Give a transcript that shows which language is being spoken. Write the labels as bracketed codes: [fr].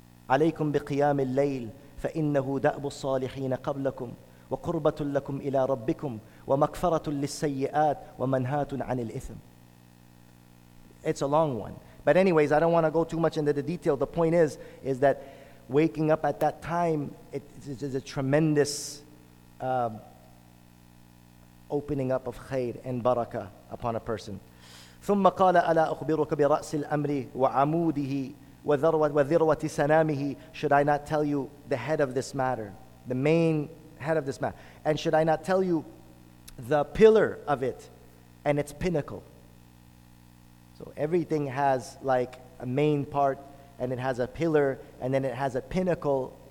[ar] عليكم بقيام الليل فإنه دأب الصالحين قبلكم وقربة لكم إلى ربكم ومغفرة للسيئات ومنهات عن الإثم. [en] It's a long one. But anyways, I don't want to go too much into the detail. The point is that waking up at that time, it is a tremendous opening up of khair and barakah upon a person. [ar] ثم قال ألا أخبرك برأس الأمر وعموده وذروة سنامه. [en] Should I not tell you the head of this matter, the main head of this matter? And should I not tell you the pillar of it and its pinnacle? So everything has like a main part, and it has a pillar, and then it has a pinnacle